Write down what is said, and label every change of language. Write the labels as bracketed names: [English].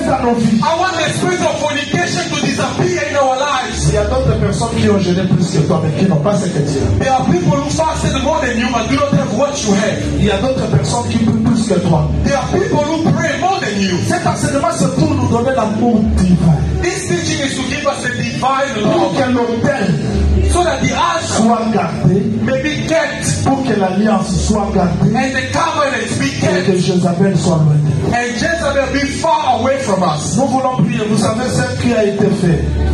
[English] I want the spirit of fornication to disappear in our lives. [French] Il y a d'autres personnes qui qui ont jeûné plus que toi, mais qui n'ont pas ce que tu as. [English] There are people who fasted more than you, but do not have what you have. [French] Il y a d'autres personnes qui prient plus que toi. [English] There are people who pray more than you. [French] Cet enseignement c'est pour nous donner l'amour divin. [English] This teaching is to give us a divine love. [French] Pour qu'un hôtel [English] so that the ash [French] soit gardé, [English] maybe kept, [French] pour que l'alliance soit gardée, [English] and the covenant be kept, [French] et que Jezabel soit loin. [English] And Jezabel be far away from us. [French] Nous voulons prier. Vous savez ce qui a été fait.